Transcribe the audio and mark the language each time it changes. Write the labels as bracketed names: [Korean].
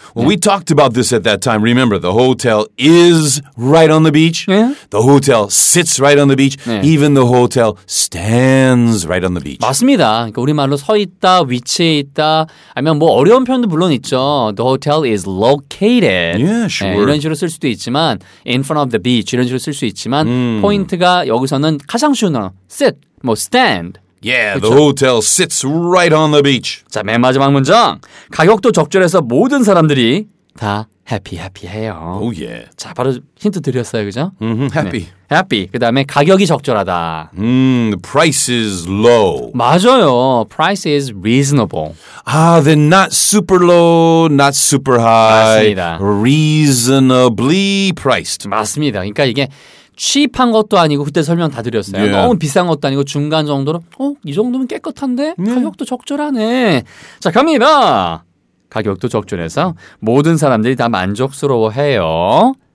[English] You know, we talked about this at that time. Remember, the hotel is right on the beach. Yeah. The hotel sits right on the beach. Yeah. Even the hotel stands right on the beach. [Korean] 맞습니다. 그러니까 우리말로 서 있다, 위치에 있다, 아니면 뭐 어려운 표현도 물론 있죠. [English] The hotel is located. Yeah, sure. [Korean] 네, 이런 식으로 쓸 수도 있지만, [English] in front of the beach, [Korean] 이런 식으로 쓸 수 있지만, 포인트가 여기서는 가장 쉬운 언어, sit, 뭐 stand. [English] Yeah, [Korean] 그쵸? [English] The hotel sits right on the beach. [Korean] 자, 맨 마지막 문장. 가격도 적절해서 모든 사람들이 다 happy, happy 해요. [English] Oh, yeah. [Korean] 자, 바로 힌트 드렸어요, 그죠? [English] Mm-hmm, happy. 네. happy. [Korean] 그 다음에 가격이 적절하다. [English] The price is low. [Korean] 맞아요. [English] Price is reasonable. Ah, then not super low, not super high. [Korean] 맞습니다. [English] Reasonably priced. [Korean] 맞습니다. 그러니까 이게 cheap한 것도 아니고 그때 설명 다 드렸어요. [English] Yeah. [Korean] 너무 비싼 것도 아니고 중간 정도로 이 정도면 깨끗한데? [English] Yeah. [Korean] 가격도 적절하네. 자, 갑니다. 가격도 적절해서 모든 사람들이 다 만족스러워해요.